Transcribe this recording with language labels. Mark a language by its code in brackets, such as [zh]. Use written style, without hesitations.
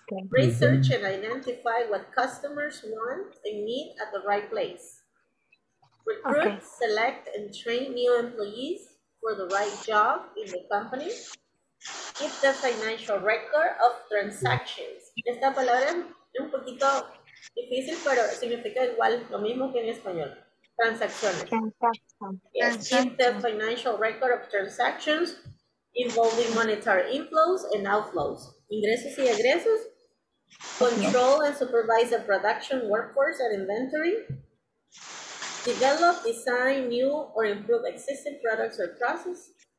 [en] Research and identify what customers want and need at the right place. Recruit, okay. Select, and train new employees for the right job in the company. Keep the financial record of transactions. [es] Esta palabra es un poquito difícil, pero significa igual lo mismo que en español. Transacciones. [en] Keep the financial record of transactions involving monetary inflows and outflows. [es] Ingresos y egresos. [en] Control and supervise the production workforce and inventory. Develop, design new or improve existing products or processes.